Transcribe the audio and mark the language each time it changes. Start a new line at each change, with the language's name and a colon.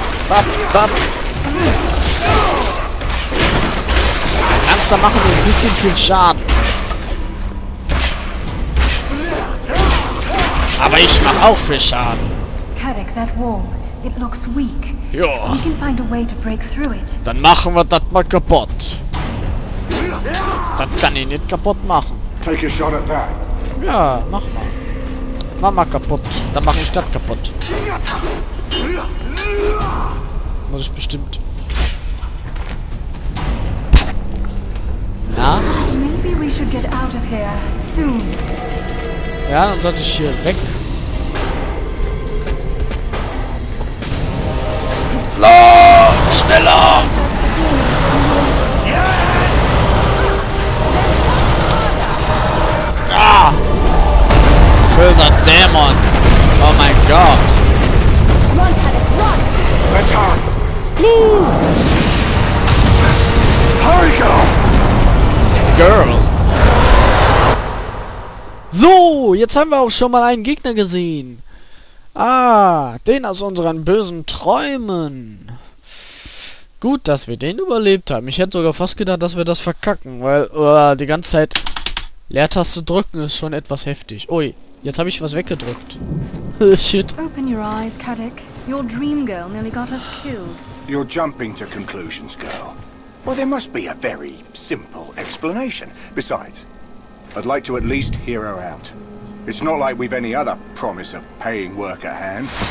German: Bap, bap. Langsam machen wir ein bisschen viel Schaden. Aber ich mache auch viel Schaden.
English: Kadek, that wall, it looks weak.
German: Ja.
English: We can find a way to break through it.
German: Dann machen wir das mal kaputt. Das kann ich nicht kaputt machen.
English: Take a shot at that.
German: Ja, mach mal. Mach mal kaputt. Dann mache ich das kaputt. Muss ich bestimmt. Na?
English: Maybe we should get out of here soon.
German: Ja, dann sollte ich hier weg. Los! Schneller! Yes! Ah! Böser Dämon! Oh mein Gott!
English: Run, Kadek, run! Let's go! Girl.
German: So, jetzt haben wir auch schon mal einen Gegner gesehen. Ah, den aus unseren bösen Träumen. Gut, dass wir den überlebt haben. Ich hätte sogar fast gedacht, dass wir das verkacken, weil die ganze Zeit Leertaste drücken ist schon etwas heftig. Ui, jetzt habe ich was weggedrückt.
English: Shit. Open your eyes, Kadek. Your dream girl nearly got us killed. You're jumping to conclusions, girl. Well, there must be a very simple explanation. Besides, I'd like to at least hear her out. It's not like we've any other promise of paying work at hand.